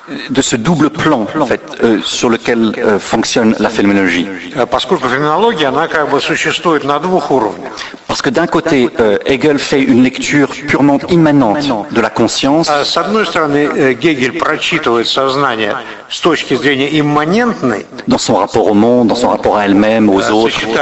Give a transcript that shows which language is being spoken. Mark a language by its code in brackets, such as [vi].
[fr] de ce double plan, en fait, sur lequel fonctionne la phénoménologie. Parce que d'un côté, Hegel fait une lecture purement immanente de la conscience. [ru] С одной стороны, Гегель прочитывает сознание с точки зрения имманентной. [fr] Dans son rapport au monde, dans son rapport à elle-même, aux autres.